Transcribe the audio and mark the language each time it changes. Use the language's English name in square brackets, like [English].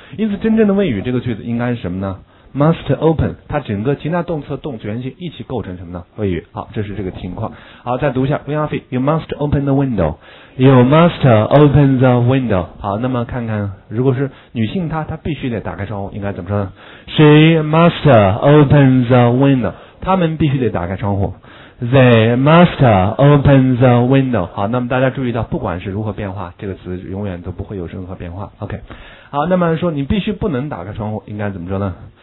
[Chinese] 因此，真正的谓语这个句子应该是什么呢？ [English] Must open， [Chinese] 它整个其他动词动词原形一起构成什么呢？谓语。好，这是这个情况。好，再读一下 [English] William Fee， You must open the window， You must open the window。 [Chinese] 好，那么看看如果是女性，她必须得打开窗户，应该怎么说呢？ [English] She must open the window， [Chinese] 她们必须得打开窗户。 [English] They must open the window。 [Chinese] 好，那么大家注意到，不管是如何变化，这个词永远都不会有任何变化。 OK， 好，那么说你必须不能打开窗户，应该怎么说呢？